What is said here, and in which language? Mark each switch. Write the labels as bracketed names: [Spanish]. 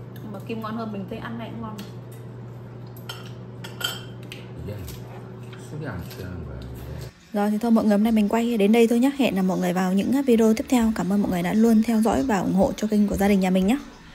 [Vietnamese] 막 김 ngon hơn mình thấy ăn này cũng ngon. [Korean] 이게 술이 안 취하는 거야. [Vietnamese] Rồi thì thôi mọi người, hôm nay mình quay đến đây thôi nhé. Hẹn là mọi người vào những video tiếp theo. Cảm ơn mọi người đã luôn theo dõi và ủng hộ cho kênh của gia đình nhà mình nhé.